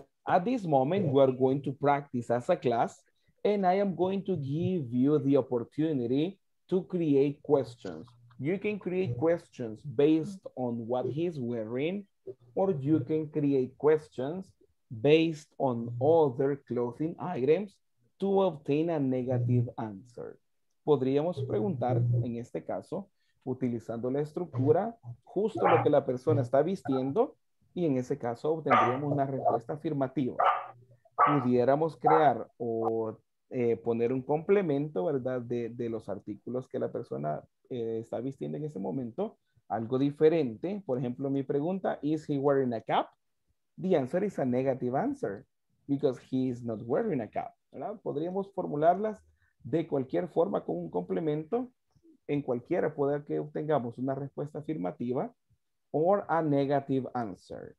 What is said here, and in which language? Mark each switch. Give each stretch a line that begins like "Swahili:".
English: At this moment, we are going to practice as a class, and I am going to give you the opportunity to create questions. You can create questions based on what he's wearing, or you can create questions based on other clothing items to obtain a negative answer.
Spanish: Podríamos preguntar, en este caso, utilizando la estructura, justo lo que la persona está vistiendo, y en ese caso obtendríamos una respuesta afirmativa. Pudiéramos crear o poner un complemento, ¿verdad?, de los artículos que la persona está vistiendo en ese momento, algo diferente. Por ejemplo, mi pregunta,
English: is he wearing a cap? The answer is a negative answer, because he is not wearing a cap.
Spanish: ¿Verdad? Podríamos formularlas de cualquier forma con un complemento, en cualquiera puede que obtengamos una respuesta afirmativa
English: or a negative answer.